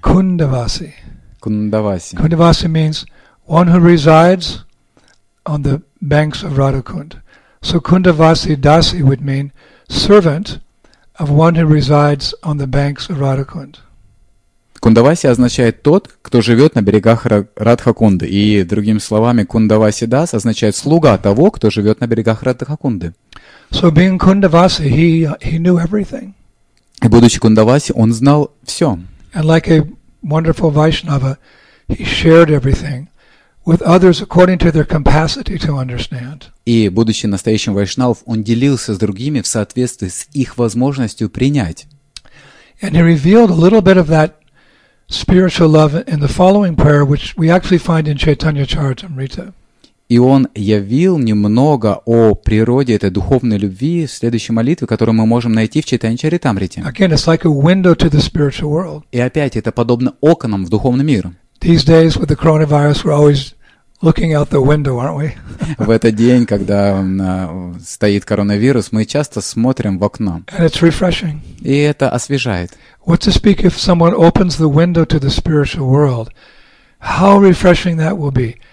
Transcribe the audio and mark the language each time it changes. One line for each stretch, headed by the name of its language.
Russian: Кундаваси.
English: Kundavasi. Kundavasi means one who resides on the banks of Radhakund. So Kundavasi Dasi would mean servant of one who resides on the banks of Radhakund.
Russian: Kundavasi означает тот, кто живет на берегах Радхакунды. И другими словами, Kundavasi Das означает слуга того, кто живет на берегах Радхакунды.
English: So being Kundavasi, he knew everything.
Russian: И будучи Кундаваси, он знал все.
English: And like a wonderful Vaishnava, he shared everything with others according to their capacity to understand.
Russian: И будучи настоящим вайшнав, он делился с другими в соответствии с их возможностью принять.
English: And he revealed a little bit of that spiritual love in the following prayer, which we actually find in Chaitanya Charitamrita.
Russian: И он явил немного о природе этой духовной любви в следующей молитве, которую мы можем найти в Чайтанья-чаритамрите.
English: Again, it's like a window to the spiritual world.
Russian: И опять, это подобно оконам в духовный мир.
English: These days with the coronavirus, we're always looking out the window, aren't we?
Russian: В этот день, когда стоит коронавирус, мы часто смотрим в окно.
English: And it's refreshing.
Russian: И это освежает.
English: What to speak if someone opens the window to the spiritual world? How refreshing that will be.